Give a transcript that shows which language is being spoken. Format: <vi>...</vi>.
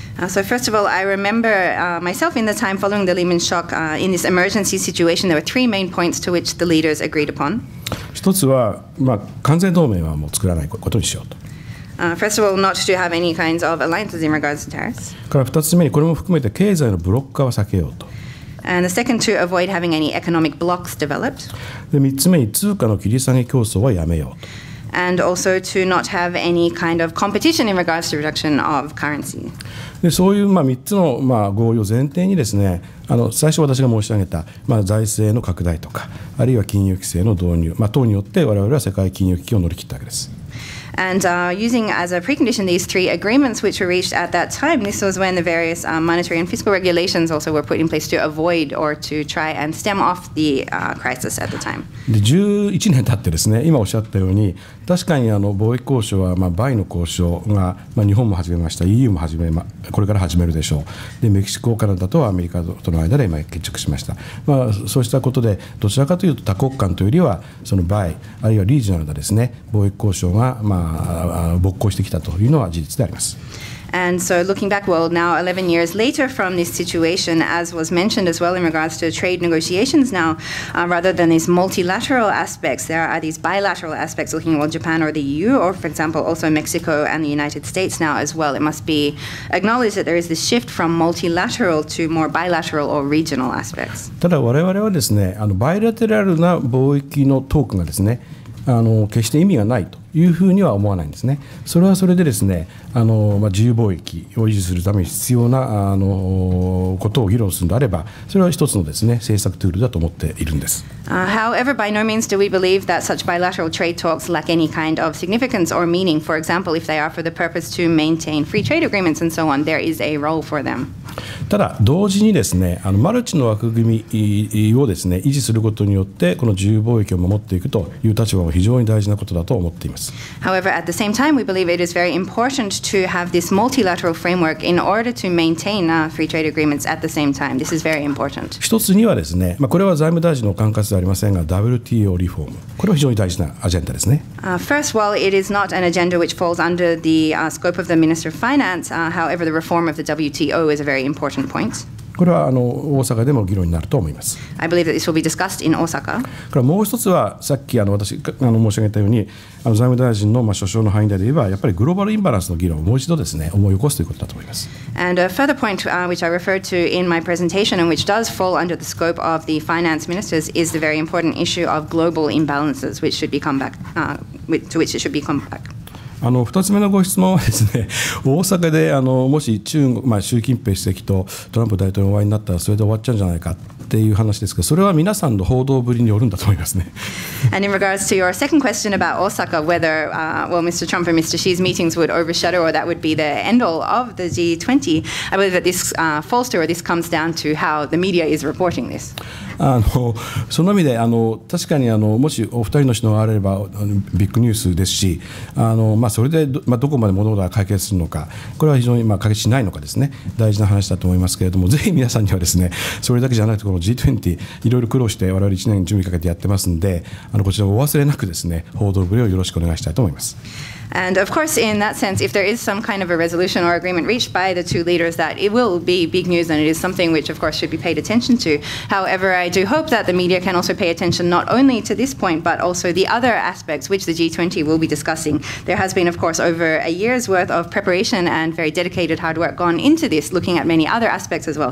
<en>So first of all, I remember myself in the time following the Lehman shock in this emergency situation, there were three main points to which the leaders agreed upon.</en> <ja>一つは、まあ、完全同盟はもう作らないことにしようと。</ja> <en>First of all, not to have any kinds of alliances in regards to tariffs.</en> <ja>から二つ目に、これも含めて経済のブロック化は避けようと。</ja> <en>And the second, to avoid having any economic blocks developed.</en> <ja>で、三つ目に、通貨の切り下げ競争はやめようと。</ja> <en>And also to not have any kind of competition in regards to reduction of currency.</en> <ja>で、そういうまあ3つのまあ合意を前提にですね、最初私が申し上げた、財政の拡大とか、あるいは金融規制の導入、等によって我々は世界金融危機を乗り切ったわけです。</ja> <en>And using as a precondition these three agreements which were reached at that time, this was when the various monetary and fiscal regulations also were put in place to avoid or to try and stem off the crisis at the time.</en> <ja>で、11年経ってですね、今おっしゃったように、確かに貿易交渉は、バイの交渉が、日本も始めました、EU も始め、これから始めるでしょう。で、メキシコ、カナダとアメリカとの間で今決着しました。そうしたことで、どちらかというと多国間というよりは、そのバイ、あるいはリージョナルなですね、貿易交渉が、勃興してきたというのは事実であります。</ja> <en>And so looking back, well, now 11 years later from this situation, as was mentioned as well in regards to trade negotiations now, rather than these multilateral aspects, there are these bilateral aspects looking at Japan or the EU, or for example, also Mexico and the United States now as well. It must be acknowledged that there is this shift from multilateral to more bilateral or regional aspects.</en> <ja>ただ我々はですね、バイラテラルな貿易のトークがですね、決して意味がないというふうには思わないんですね。それはそれでですね、自由貿易を維持するために必要なことを議論するのであれば、それは一つのですね、政策ツールだと思っているんです。</ja> <en>However, by no means do we believe that such bilateral trade talks lack any kind of significance or meaning. For example, if they are for the purpose to maintain free trade agreements and so on, there is a role for them.</en> <ja>ただ同時にですね、マルチの枠組みをですね、維持することによってこの自由貿易を守っていくという立場も非常に大事なことだと思っています。</ja> <en>However, at the same time, we believe it is very important to have this multilateral framework in order to maintain free trade agreements at the same time. This is very important.</en> <ja>一つにはですね、これは財務大臣の管轄ではありませんが、WTO リフォーム。これは非常に大事なアジェンダですね。</ja> <en>First, while it is not an agenda which falls under the scope of the Minister of Finance, however, the reform of the WTO is a very important point.</en> <ja>これは大阪でも議論になると思います。</ja> <en>I believe that this will be discussed in Osaka.</en> <ja>これはもう一つはさっき私申し上げたように財務大臣の所掌の範囲内で言えばやっぱりグローバルインバランスの議論をもう一度ですね思い起こすということだと思います。</ja> <en>And a further point which I referred to in my presentation and which does fall under the scope of the finance ministers is the very important issue of global imbalances which should be come back to which it should be come back.</en> <ja>2つ目のご質問はですね、大阪でもし中国、習近平主席とトランプ大統領お会いになったらそれで終わっちゃうんじゃないかっていう話ですけど、それは皆さんの報道ぶりによるんだと思いますね。</ja> <en>And in regards to your second question about Osaka, whether, well, Mr. Trump and Mr. Xi's meetings would overshadow or that would be the end all of the G20, I believe that this falls to or this comes down to how the media is reporting this.</en> <ja>その意味で確かにもしお二人の首脳があればビッグニュースですし、それで どこまで物事が解決するのか、これは非常に解決しないのかですね、大事な話だと思いますけれども、ぜひ皆さんにはですね、それだけじゃなくてこの G20 いろいろ苦労して我々1年準備かけてやってますんで、こちらをお忘れなくですね、報道ぶりをよろしくお願いしたいと思います。</ja> <en>And of course, in that sense, if there is some kind of a resolution or agreement reached by the two leaders, that it will be big news and it is something which, of course, should be paid attention to. However, I do hope that the media can also pay attention not only to this point, but also the other aspects which the G20 will be discussing. There has been, of course, over a year's worth of preparation and very dedicated hard work gone into this, looking at many other aspects as well.</en>